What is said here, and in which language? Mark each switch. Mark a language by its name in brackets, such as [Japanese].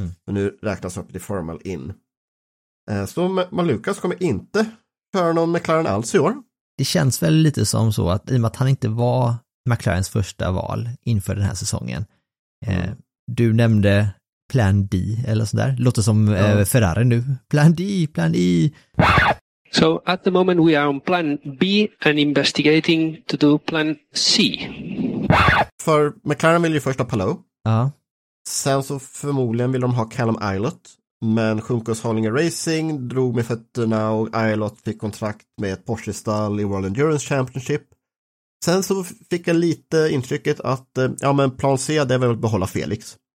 [Swedish] Men nu räknas upp det formal in. Så Malukas kommer inte köra någon McLaren alls i år. Det känns väl lite som så att i och med att han inte var McLarens första val inför den här säsongen. Du nämnde Plan D eller sådär. Låter som Ferrari nu. Plan D. [English] So at the moment we are on Plan B and investigating to do Plan C. [Swedish] För McLaren vill ju först ha Palou. Ja. Sen så förmodligen vill de ha Callum Ilott. Men Schunkos Hollinger Racing drog med fötterna och Ilott fick kontrakt med ett Porsche-stall i World Endurance Championship. Sen så fick jag lite intrycket att plan C, det är väl att behålla Felix.